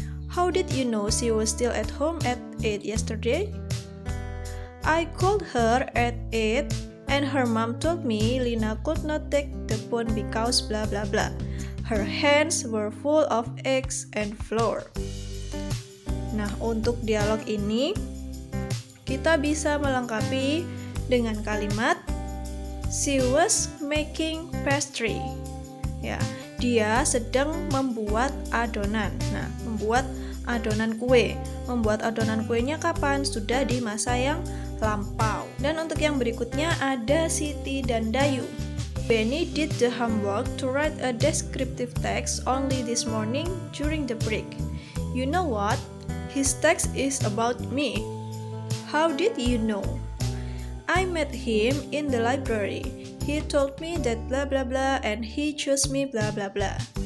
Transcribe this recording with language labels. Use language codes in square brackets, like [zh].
[en] How did you know she was still at home at 8 yesterday? I called her at 8 and her mom told me Lina could not take the phone because blah blah blah. Her hands were full of eggs and flour. [id] Nah, untuk dialog ini kita bisa melengkapi dengan kalimat [en] she was making pastry. [id] Ya, dia sedang membuat adonan. Nah, membuat adonan kue. Membuat adonan kuenya kapan? Sudah di masa yang lampau. Dan untuk yang berikutnya ada Siti dan Dayu. [en] Benny did the homework to write a descriptive text only this morning during the break. You know what? His text is about me. How did you know? I met him in the library. He told me that blah blah blah and he chose me blah blah blah.